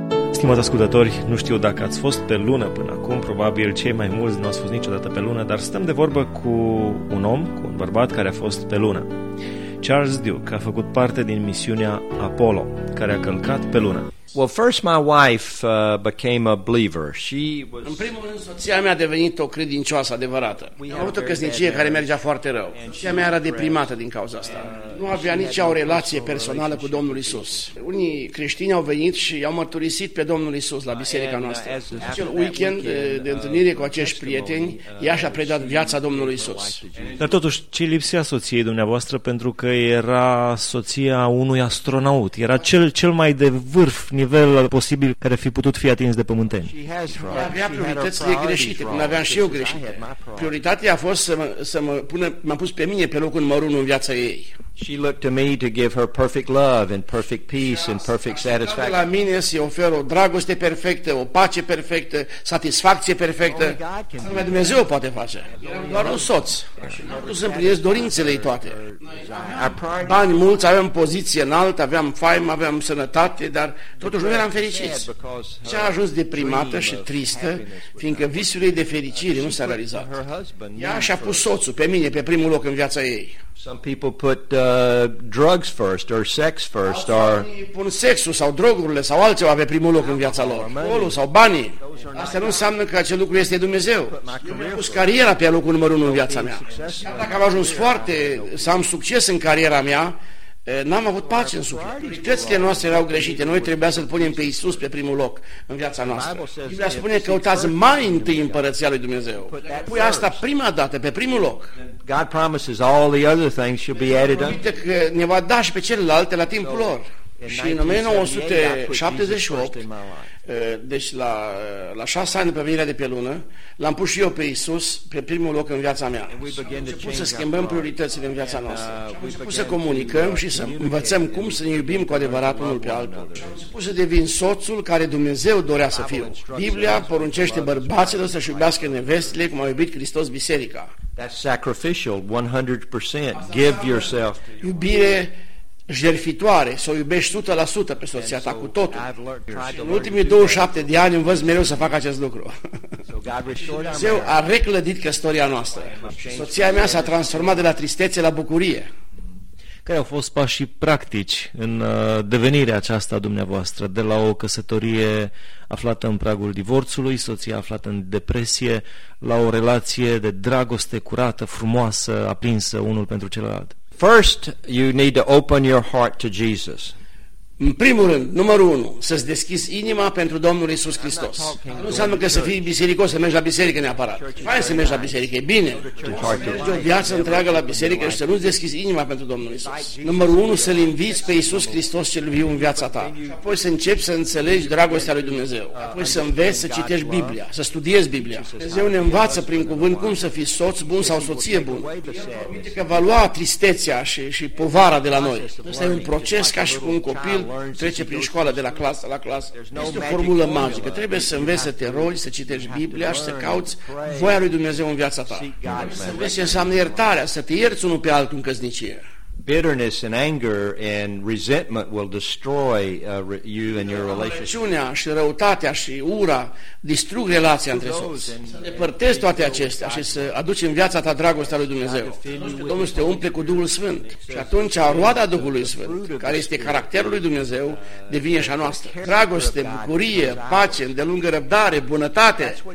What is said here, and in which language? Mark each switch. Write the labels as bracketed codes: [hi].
[ro] Stimați ascultători, nu știu dacă ați fost pe lună până acum, probabil cei mai mulți nu ați fost niciodată pe lună, dar stăm de vorbă cu un om, cu un bărbat care a fost pe lună. Charles Duke a făcut parte din misiunea Apollo, care a călcat pe lună. [en] Well, first my wife became a believer. She was... [ro] În primul rând, soția mea a devenit o credincioasă adevărată. Am avut o căsnicie care mergea foarte rău. Soția mea era deprimată din cauza asta. Nu avea nici o relație personală cu Domnul Iisus. Unii creștini au venit și i-au mărturisit pe Domnul Iisus la biserica noastră. Acel weekend de întâlnire cu acești prieteni, ea și-a predat viața Domnului Iisus. Dar totuși, ce lipsea soției dumneavoastră, pentru că era soția unui astronaut? Era cel mai de vârf nivel posibil care fi putut fi atins de pământeni. Avea prioritățile greșite, când aveam și eu greșite. Prioritatea a fost m-am pus pe mine pe locul numărul unu în viața ei. [en] She looked to me to give her perfect love and perfect peace and perfect satisfaction. [ro] La mine să-i ofer o dragoste perfectă, o pace perfectă, satisfacție perfectă. Numai Dumnezeu poate face. Doar un soț. Nu să împlinesc dorințele ei toate. Bani mulți, aveam poziție înaltă, aveam faimă, aveam sănătate, dar totuși nu eram fericiți. Și a ajuns deprimată și tristă, fiindcă visul ei de fericire nu s-a realizat. Ea și-a pus soțul pe mine pe primul loc în viața ei. [en] Some people put drugs first or sex first or [ro] pun sexul sau drogurile sau altceva pe primul loc în viața lor. Alcoolul sau banii. Asta nu înseamnă că acel lucru este Dumnezeu. Eu am pus cariera pe locul numărul 1 în viața mea. Chiar dacă am ajuns foarte să am succes în cariera mea, n-am avut pace în suflet. Prioritățile noastre erau greșite. Noi trebuia să-L punem pe Iisus pe primul loc în viața noastră. Biblia spune că căutați mai întâi împărăția lui Dumnezeu. Pui asta prima dată, pe primul loc. [en] God promises all the other things should be added up. [ro] Uite că ne va da și pe celelalte la timpul lor. Și în 1978, deci la 6 ani după venirea de pe lună, l-am pus și eu pe Iisus pe primul loc în viața mea. Am început să schimbăm prioritățile în viața noastră. Am început să comunicăm și să învățăm cum să ne iubim cu adevărat unul pe altul. Am început să devin soțul care Dumnezeu dorea să fiu. Biblia poruncește bărbaților să-și iubească nevestile cum a iubit Hristos biserica. [en] That's sacrificial, 100%. Give yourself. [ro] Iubire jertfitoare, să o iubești 100% pe soția ta cu totul. În ultimii 27 de ani învăț mereu să fac acest lucru. Dumnezeu a reclădit căsătoria noastră. Soția mea s-a transformat de la tristețe la bucurie. Care au fost pașii practici în devenirea aceasta dumneavoastră, de la o căsătorie aflată în pragul divorțului, soția aflată în depresie, la o relație de dragoste curată, frumoasă, aprinsă unul pentru celălalt? [en] First, you need to open your heart to Jesus. [ro] În primul rând, numărul unu, să-ți deschizi inima pentru Domnul Iisus Hristos. Nu înseamnă că să fii bisericos, să mergi la biserică neapărat. Fai să mergi la biserică, e bine. O viață întreagă la biserică și să nu-ți deschizi inima pentru Domnul Iisus. Numărul unu, să-L inviți pe Iisus Hristos cel viu în viața ta. Apoi să începi să înțelegi dragostea lui Dumnezeu. Apoi să înveți să citești Biblia, să studiezi Biblia. Dumnezeu ne învață prin cuvânt cum să fii soț bun sau soție bun. Uite că va lua tristețea și povara de la noi. Asta e un proces ca și cu un copil trece prin școală de la clasă la clasă. Este o formulă magică. Trebuie să înveți să te rogi, să citești Biblia și să cauți voia lui Dumnezeu în viața ta. Să înveți ce înseamnă iertarea, să te ierți unul pe altul în căsnicie. [en] Bitterness and anger and resentment will destroy you and your relationship. [ro] Rușinea și răutatea și ura distrug relația între soți. Să depărtezi toate acestea și să aduci în viața ta dragostea lui Dumnezeu. Domnul te umple cu Duhul Sfânt. Și atunci roada Duhului Sfânt, care este caracterul lui Dumnezeu, devine și a noastră. Dragoste, bucurie, pace, îndelungă răbdare, bunătate.